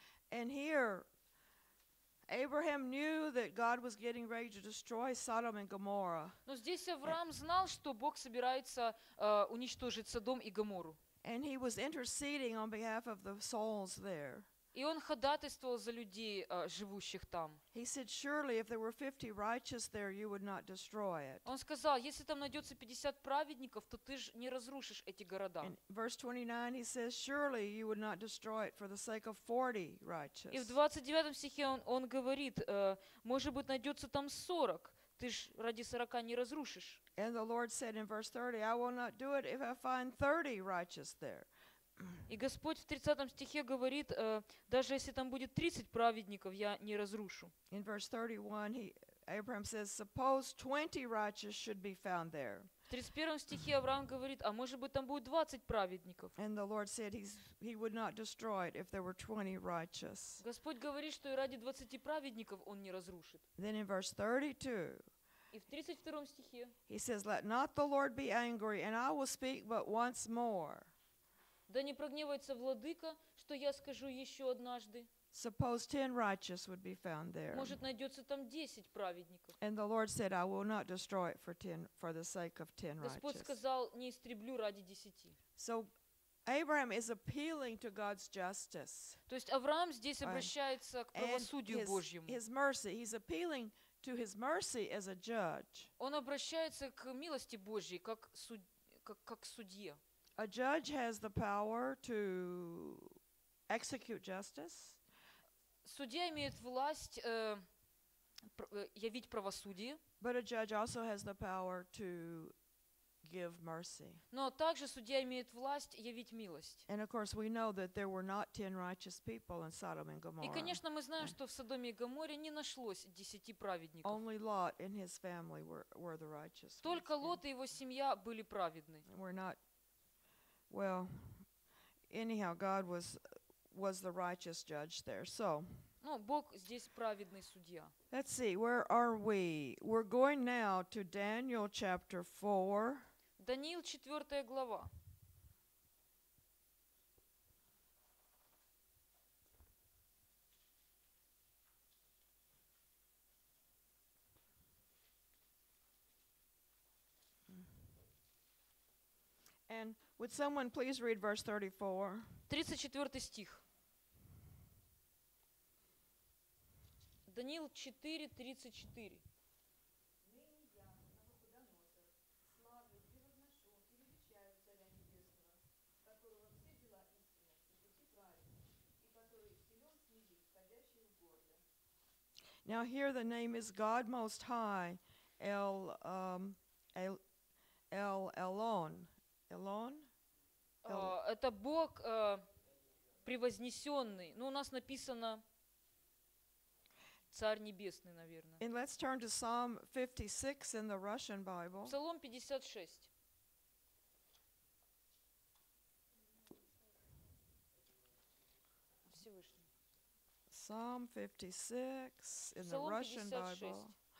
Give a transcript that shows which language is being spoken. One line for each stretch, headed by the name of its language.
English: And here Abraham knew that God was getting ready to destroy Sodom and Gomorrah.
Russian: Но здесь Авраам знал, что Бог собирается уничтожить Содом и Гоморру.
English: And he was interceding on behalf of the souls there.
Russian: И он ходатайствовал за людей, живущих там.
English: He said, surely if there were 50 righteous there, you would not destroy it.
Russian: Он сказал, если там найдется 50 праведников, то ты ж не разрушишь эти города.
English: In verse 29 he says, surely you would not destroy it for the sake of 40 righteous.
Russian: И в 29 стихе он говорит, может быть, найдется там 40, ты ж ради 40 не разрушишь.
English: And the Lord said in verse 30, I will not do it if I find 30 righteous there.
Russian: И Господь в 30 стихе говорит, даже если там будет 30 праведников, я не разрушу.
English: In verse 31, Abraham says, suppose 20 righteous should be found there.
Russian: В 31 стихе Авраам говорит, а может быть там будет 20 праведников.
English: And the Lord said he would not destroy it if there were 20 righteous.
Russian: Господь говорит, что и ради 20 праведников он не разрушит.
English: Then in verse 32,
Russian: и в 32 стихе,
English: he says, let not the Lord be angry, and I will speak but once more.
Russian: Да не прогневается владыка, что я скажу еще однажды.
English: Suppose 10 righteous would be found there.
Russian: Может, найдется там 10 праведников.
English: And the Lord said, I will not destroy it for the sake of 10 righteous.
Russian: Господь сказал, не истреблю ради 10.
English: So Abraham is appealing to God's justice.
Russian: То есть Авраам здесь обращается к правосудию Божьему.
English: His mercy, he's appealing to his mercy as a judge.
Russian: Он обращается к милости Божьей как судье.
English: A judge has the power to execute justice.
Russian: Судья имеет власть явить правосудие.
English: But a judge also has the power to give mercy.
Russian: Но также судья имеет власть явить милость.
English: And of course we know that there were not 10 righteous people in Sodom and Gomorrah.
Russian: И конечно мы знаем, что в Содоме и Гоморре не нашлось 10 праведников.
English: Only Lot and his family were the righteous.
Russian: Только Лот и его семья были праведны.
English: We're not. Well, anyhow, God was the righteous judge there. So,
Russian: ну, Бог здесь праведный судья.
English: Let's see, where are we? We're going now to Daniel chapter 4.
Russian: Даниил 4 глава.
English: And would someone please read verse 34?
Russian: 34 стих. Даниил 4:34.
English: Now here the name is God Most High, El Elon. Elon?
Russian: Это Бог превознесенный. Ну, у нас написано Царь Небесный, наверное.
English: And let's turn to Psalm 56 in the Russian Bible.
Russian: Псалом 56.
English: Psalm 56 in the Russian Bible.